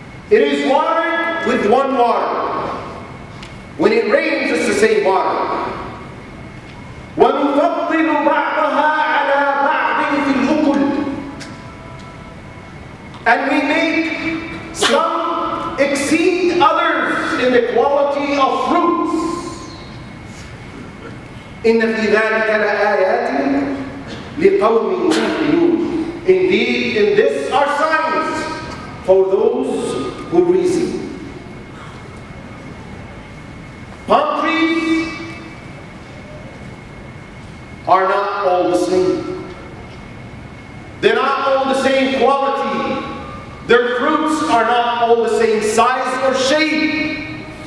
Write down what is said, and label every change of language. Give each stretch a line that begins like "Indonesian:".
English: It is watered with one water. When it rains, it's the same water.
Arabic: ونفضل بعضها على بعض في الأكل.
English: And we make some exceed others in the quality of fruits.
Arabic: إن في ذلك لآيات لقوم يؤمنون.
English: Indeed, in this are signs for those who reason. Palm trees are not all the same. They're not all the same quality. Their fruits are not all the same size or shape.